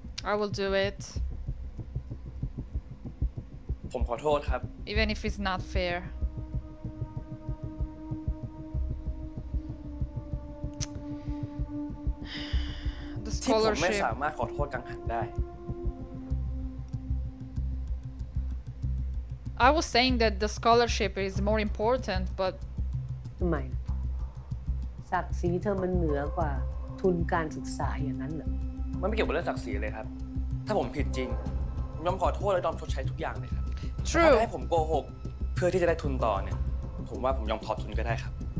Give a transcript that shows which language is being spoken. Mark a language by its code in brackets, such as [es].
[en] I will do it. [th] ผมขอโทษครับ [en] Even if it's not fair. [th] ที่ผมไม่สามารถขอโทษกังหันได้ [en] I was saying that the scholarship is more important but [th] ทำไมศักดิ์ศรีเธอมันเหนือกว่าทุนการศึกษาอย่างนั้นเหรอ มันไม่เกี่ยวกับเรื่องศักดิ์ศรีเลยครับถ้าผมผิดจริงผมยอมขอโทษและยอมชดใช้ทุกอย่างเลยครับ [en] True [th] ถ้าให้ผมโกหกเพื่อที่จะได้ทุนต่อเนี่ยผมว่าผมยอมถอดทุนก็ได้ครับ